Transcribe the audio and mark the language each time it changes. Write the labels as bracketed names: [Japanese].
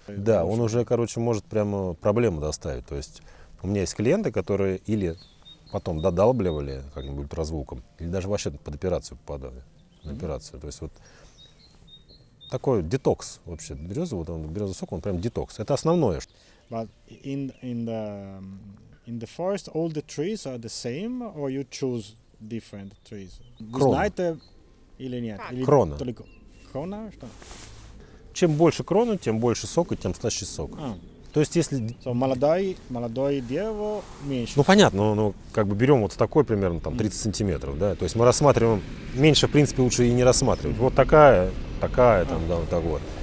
[Russian] Это да, он уже, короче, может прямо проблему доставить. То есть у меня есть клиенты, которые или потом додалбливали как-нибудь ультразвуком, или даже вообще под операцию попадали. На операцию. То есть вот такой детокс вообще. Березовый сок, он прям детокс. Это основное. [English] But in the forest all the trees are the same or you choose different trees? [Russian] Крона. Знаете или нет? Или крона. Только... Крона что? Чем больше крона, тем больше сок и тем слаще сок. А. То есть если... So, молодое дерево меньше. Ну понятно, но как бы берем вот такой примерно там 30 сантиметров, да. То есть мы рассматриваем, меньше в принципе лучше и не рассматривать. Вот такая там, да, вот так вот.